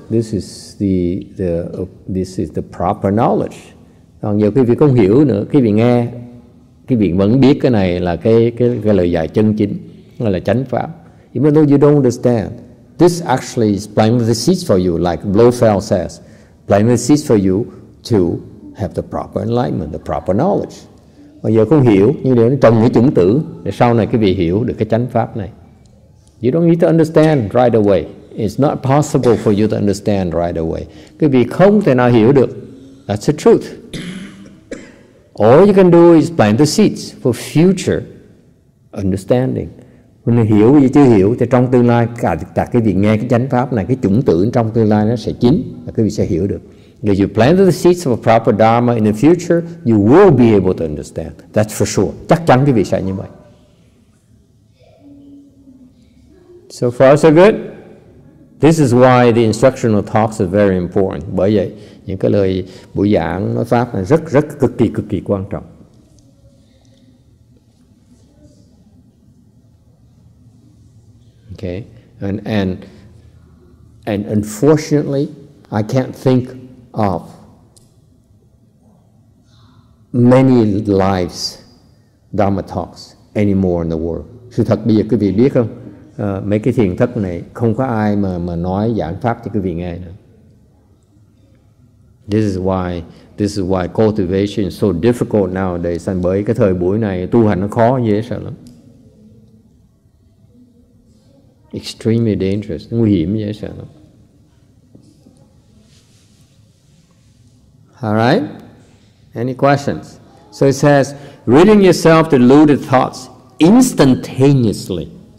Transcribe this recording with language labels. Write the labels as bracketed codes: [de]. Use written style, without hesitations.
[en] This is the proper knowledge. [vi] Còn nhiều quý vị không hiểu nữa. Quý vị nghe, quý vị vẫn biết cái này là cái lời dạy chân chính, là chánh pháp. [en] Even though you don't understand, this actually is planting the seeds for you, like Blofeld says, planting the seeds for you to have the proper enlightenment, the proper knowledge. [vi] Mà giờ không hiểu, nhưng để trồng cái chủng tử, để sau này quý vị hiểu được cái chánh pháp này. [en] You don't need to understand right away. It's not possible for you to understand right away. [vi] Quý vị không thể nào hiểu được. [en] That's the truth. All you can do is plant the seeds for future understanding. [vi] Mình hiểu gì chưa hiểu thì trong tương lai cả cái việc nghe cái chánh pháp này, cái chủng tử trong tương lai nó sẽ chín và quý vị sẽ hiểu được. [en] If you plant the seeds of a proper dharma in the future, you will be able to understand. That's for sure. [vi] Chắc chắn quý vị sẽ như vậy. [en] So far so good. This is why the instructional talks are very important. [vi] Bởi vậy những cái lời buổi giảng nói pháp là rất rất cực kỳ quan trọng. [en] Okay, and unfortunately, I can't think of many lives Dharma talks anymore in the world. [vi] Sự thật bây giờ quý vị biết không? Mấy cái thiền thất này không có ai mà nói giảng pháp cho quý vị nghe nữa. [en] This is why cultivation is so difficult nowadays. [vi] And bởi cái thời buổi này tu hành nó khó dễ sợ lắm. [en] Extremely dangerous, [vi] nguy hiểm dễ sợ lắm. [en] All right? Any questions? So it says, ridding yourself to deluded thoughts instantaneously.